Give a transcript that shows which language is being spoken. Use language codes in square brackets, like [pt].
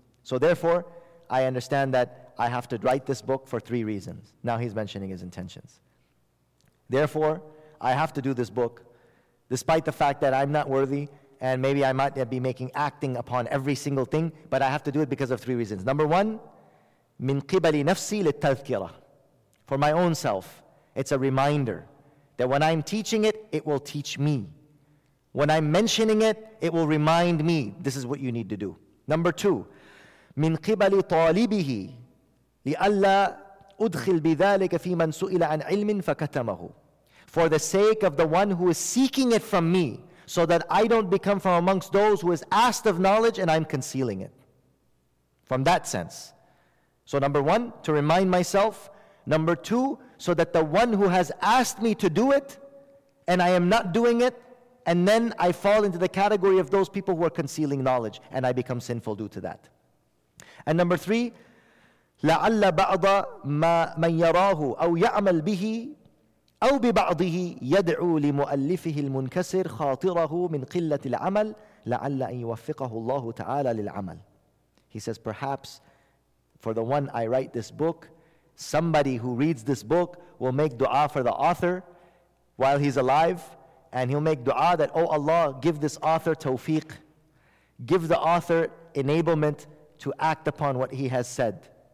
[en] So therefore, I understand that I have to write this book for three reasons. Now he's mentioning his intentions. Therefore, I have to do this book, despite the fact that I'm not worthy, and maybe I might be making acting upon every single thing, but I have to do it because of three reasons. Number one, [ar] مِنْ قِبَلِ نَفْسِي لِلتَّذْكِرَةِ. [en] For my own self, it's a reminder that when I'm teaching it, it will teach me. When I'm mentioning it, it will remind me, this is what you need to do. Number two, [ar] مِنْ قِبَلِ طَالِبِهِ لِأَلَّا أُدْخِلْ بِذَلِكَ فِي مَنْ سُئِلَ عَنْ عِلْمٍ فَكَتَمَهُ. [en] For the sake of the one who is seeking it from me, so that I don't become from amongst those who is asked of knowledge and I'm concealing it. From that sense. So number one, to remind myself. Number two, so that the one who has asked me to do it, and I am not doing it, and then I fall into the category of those people who are concealing knowledge, and I become sinful due to that. And number three, [ar] لَعَلَّ بَعْضَ مَا مَنْ يَرَاهُ أَوْ يَعْمَلْ بِهِ أَوْ بِبَعْضِهِ يَدْعُو لِمُؤَلِّفِهِ الْمُنْكَسِرْ خَاطِرَهُ مِنْ قِلَّةِ الْعَمَلِ لَعَلَّ أَنْ يُوَفِّقَهُ اللَّهُ تَعَالَى لِلْعَمَلِ. [en] He says, perhaps for the one I write this book, somebody who reads this book will make dua for the author while he's alive, and he'll make dua that, oh Allah, give this author tawfiq, give the author enablement to act upon what he has said.